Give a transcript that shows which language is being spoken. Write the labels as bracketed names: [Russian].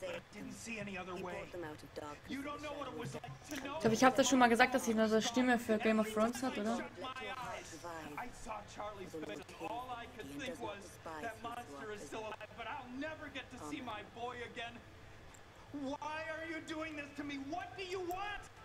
[English] but I didn't see any other he way. Them out of darkness. You don't know what it was like to know. [German] Ich glaube, ich habe das schon mal gesagt, dass ich nur so Stimme für Game of Thrones hat, oder? [English] I saw Charlie's face. All I could think was that monster is still alive, but I'll never get to see my boy again. Why are you doing this to me? What do you want?